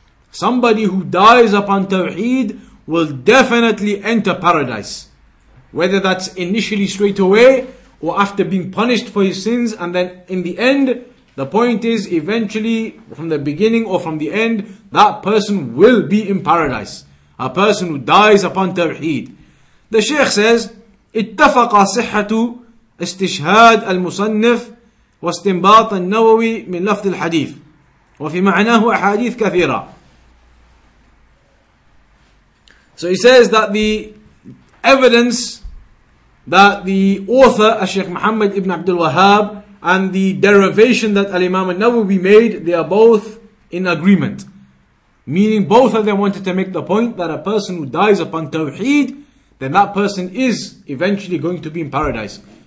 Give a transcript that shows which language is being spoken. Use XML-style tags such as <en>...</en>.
<en>Somebody who dies upon tawheed will definitely enter paradise. Whether that's initially straight away or after being punished for his sins, and then in the end, the point is eventually from the beginning or from the end, that person will be in paradise. A person who dies upon tawheed. The Shaykh says,</en> <ar>اتفق صحة استشهاد المصنف واستنباط النووي من لفظ الحديث وفي معناه أحاديث كثيرة.</ar> <en>So he says that the evidence that the author, Sheikh Muhammad ibn Abdul Wahhab, and the derivation that Al-Imam al-Nawawi made, they are both in agreement. Meaning both of them wanted to make the point that a person who dies upon Tawheed, then that person is eventually going to be in paradise.</en>